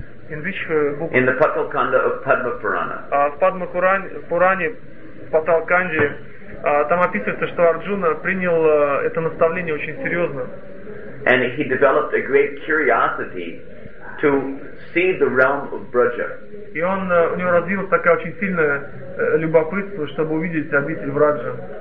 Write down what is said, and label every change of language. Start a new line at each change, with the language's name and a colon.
English: In the Patalkanda of Padma Purana.
Russian: В Патал Канде, там описывается, что Арджуна принял это наставление очень серьезно.
English: And he developed a great curiosity to see the realm of Braja.
Russian: И он у него развилось такое очень сильное любопытство, чтобы увидеть обитель Враджа.